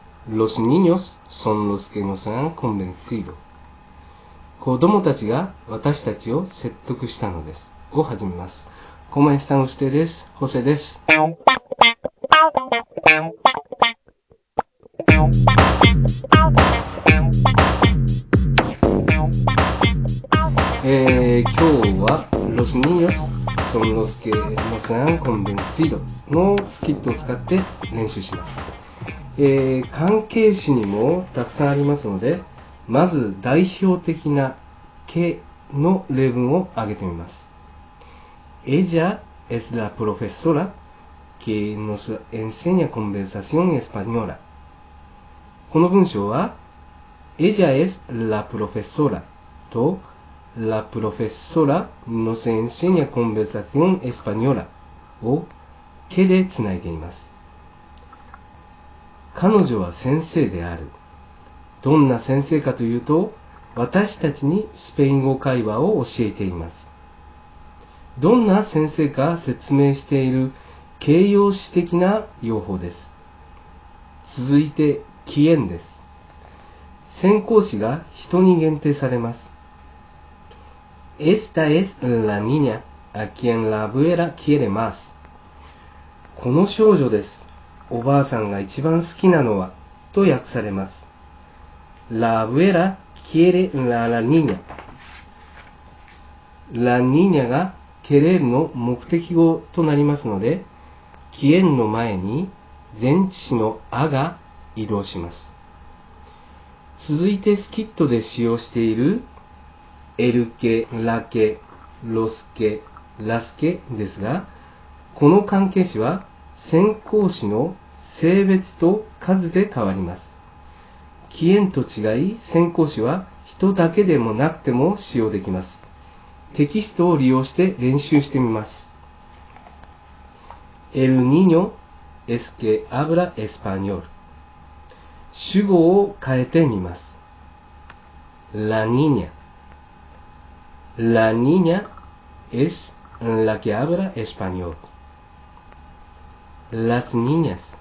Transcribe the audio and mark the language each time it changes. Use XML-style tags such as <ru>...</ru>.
<es>Los niños son los que nos han convencido.</es> <ja>子供たちが私たちを説得したのです。を始めます。</ja> <es>¿Cómo están ustedes?</es> <ja>José です。今日は</ja> <es>Los niños son los que nos han convencido</es> <ja>のスキットを使って練習します。関係詞にもたくさんありますので、まず代表的な que の例文を挙げてみます。</ja> <es>Ella es la profesora que nos enseña conversación española.</es> <ja>この文章は、</ja> <es>Ella es la profesora</es> <ja>と、</ja> <es>La profesora nos enseña conversación española</es> <ja>を que でつないでいます。彼女は先生である。どんな先生かというと、私たちにスペイン語会話を教えています。どんな先生か説明している形容詞的な用法です。続いて、キエンです。先行詞が人に限定されます。</ja> <es>Esta es la niña a quien la abuela quiere más。</es> <ja>この少女です。おばあさんが一番好きなのは、と訳されます。</ja> <es>La abuela quiere la, la niña。</es> <ja>La niña がケレルの目的語となりますので、キエンの前に前置詞のアが移動します。続いてスキットで使用しているエルケ、ラケ、ロスケ、ラスケですが、この関係詞は先行詞の性別と数で変わります。キエンと違い、先行詞は人だけでもなくても使用できます。テキストを利用して練習してみます。</ja> <es>El niño es que habla español. 主語を変えてみます。La niña. La niña es la que habla español. Las niñas.</es>